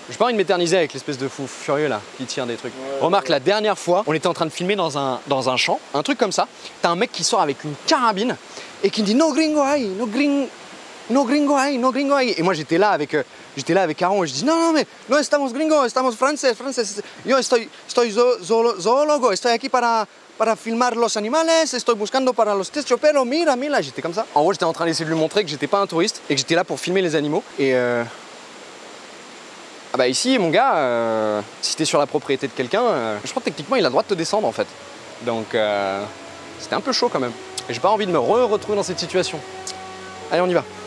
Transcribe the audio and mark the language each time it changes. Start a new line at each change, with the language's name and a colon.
French: J'ai pas envie de m'éterniser avec l'espèce de fou furieux là, qui tire des trucs. Ouais, remarque, ouais. La dernière fois, on était en train de filmer dans un champ, un truc comme ça. T'as un mec qui sort avec une carabine et qui me dit «
Spanish: No gringo ahí, no gringo ahí ».
French: Et moi j'étais là avec Aaron et je dis «
Spanish: No, estamos gringo, estamos français. Yo estoy zoologo, estoy aquí para filmar los animales, estoy buscando para los testioperos, mira ».
French: J'étais comme ça. En gros, j'étais en train d'essayer de lui montrer que j'étais pas un touriste et que j'étais là pour filmer les animaux et... Ah bah ici, mon gars, si t'es sur la propriété de quelqu'un, je crois que techniquement, il a le droit de te descendre, en fait. Donc, c'était un peu chaud, quand même. Et j'ai pas envie de me retrouver dans cette situation. Allez, on y va.